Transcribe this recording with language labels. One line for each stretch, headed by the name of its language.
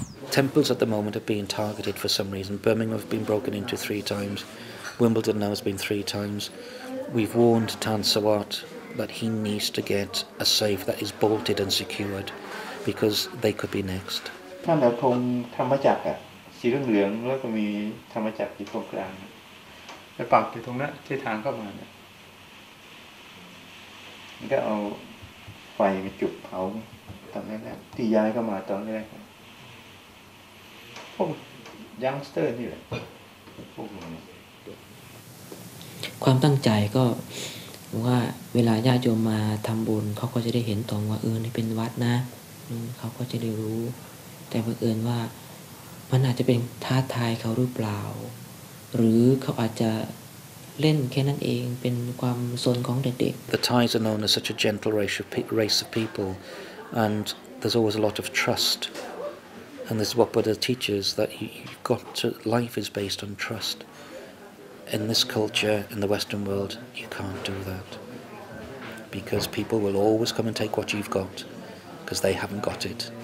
English: Temples at the moment have been targeted for some reason. Birmingham have been broken into 3 times. Wimbledon now has been 3 times. We've warned Tan Sawat that he needs to get a safe that is bolted and secured because they could be next.
Thai: ท่านเอาธงธรรมจักรอ่ะสีเหลืองแล้วก็มีธรรมจักรอยู่ตรงกลางไปปักอยู่ตรงนั้นที่ทางเข้ามาเนี่ยมันก็เอาไฟมาจุดเผาตอนแรกๆที่ย้ายเข้ามาตอนแรกพวกยังสเตอร์นี่แหละพวกนี้ความตั้งใจก็ว่าเวลาญาติโยมมาทำบุญเขาก็จะได้เห็นธงว่าเออนี่เป็นวัดนะเขาก็จะได้รู้แต่บังเอิญว่ามันอาจจะเป็นท้าทายเขาหรือเปล่าหรือเขาอาจจะเล่นแค่นั้นเองเป็นความสนของเด็ก
English: ๆ The Thais are known as such a gentle race of people and there's always a lot of trust and this is what Buddha teaches that you've got to, life is based on trust in this culture in the Western world you can't do that because people will always come and take what you've got because they haven't got it